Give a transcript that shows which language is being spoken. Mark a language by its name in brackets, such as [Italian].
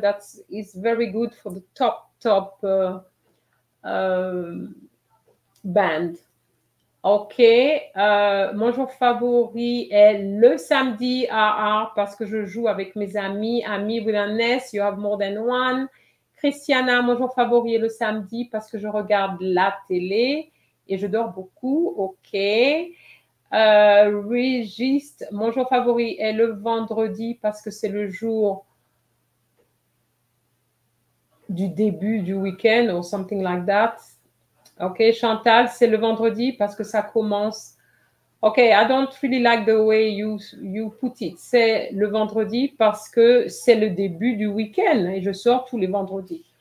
[English] That is very good for the top band. OK. [French] Mon jour favori est le samedi parce que je joue avec mes amis. [English] Ami with an S, you have more than one. [French] Christiana, mon jour favori est le samedi parce que je regarde la télé et je dors beaucoup. OK. Régis, mon jour favori est le vendredi parce que c'est le jour du début du week-end [English] or something like that. [French] OK. Chantal, c'est le vendredi parce que ça commence. [English] OK. I don't really like the way you put it. [French] C'est le vendredi parce que c'est le début du week-end et je sors tous les vendredis.